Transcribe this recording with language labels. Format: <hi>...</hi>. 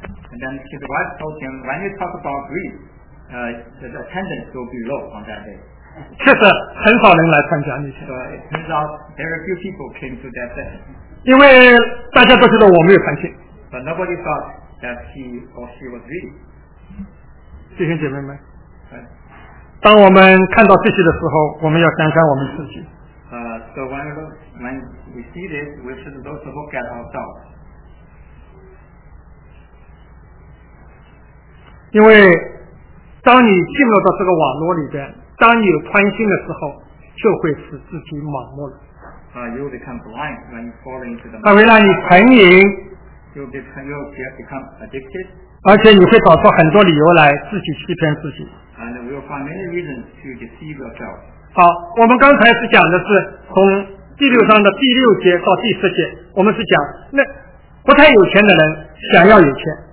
<en>And then his wife told him, when you talk about greed, the attendance will be low on that day.</en> <zh>确实很少人来参加那天。</zh> <en>So it turns out very few people came to that day.</en> <zh>因为大家都觉得我没有贪心。</zh> <en>But nobody thought that he or she was greedy.</en> <zh>弟兄姐妹们。当我们看到这些的时候，我们要想想我们自己。</zh> <en>So when we see this, we should also look at ourselves.</en> <zh>因为当你进入到这个网络里边，当有贪心的时候，就会使自己盲目了。</zh> <en>You will become blind when you fall into the.</en> <zh>啊，为了你成瘾。</zh> <en>You become addicted.</en> <zh>而且你会找出很多理由来自己欺骗自己。</zh> <en>And you will find many reasons to deceive yourself.</en> <zh>好，我们刚才是讲的是从第六章的第六节到第十节，我们是讲那不太有钱的人想要有钱。</zh>